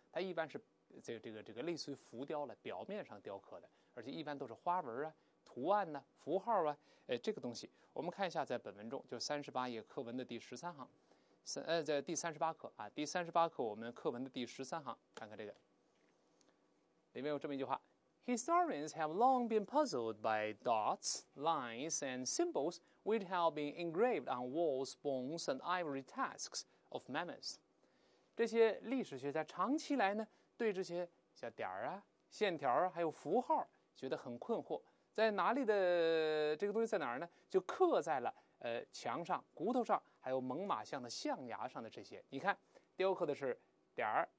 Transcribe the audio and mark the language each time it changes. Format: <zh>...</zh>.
<zh>它一般是这个类似于浮雕了，表面上雕刻的，而且一般都是花纹啊。图案呢、啊、符号啊、这个东西我们看一下，在本文中就38页课文的第13行，在第38课啊，第38课我们课文的第13行，看看这个里面有这么一句话。</zh> <en>Historians have long been puzzled by dots, lines and symbols which have been engraved on walls, bones and ivory tusks of mammoths.</en> <zh>这些历史学家长期来呢，对这些小点啊、线条啊还有符号觉得很困惑。在哪里的这个东西在哪儿呢？就刻在了墙上、骨头上，还有猛犸象的象牙上的这些。你看，雕刻的是点儿、</zh>